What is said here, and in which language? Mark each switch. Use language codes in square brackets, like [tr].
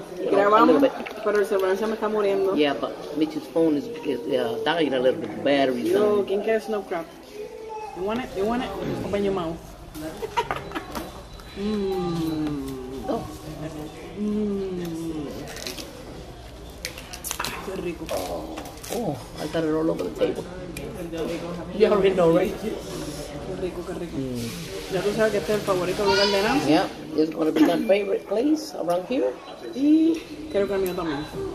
[es] Grabamos, pero el celular se me está muriendo. [en] Yeah, but Mitch's phone is dying a little bit. Battery. [es] Yo, ¿quién quiere snow crab? [en] You want it? You want it? Open your mouth. [es] Qué rico. [en] Oh, I got it all over the table. You already know, right? [es] Qué rico, qué rico. Ya tú sabes que este es el favorito de Nancy. [en] Yeah. It's going to be my favorite place around here. [es] Y creo que el mío también.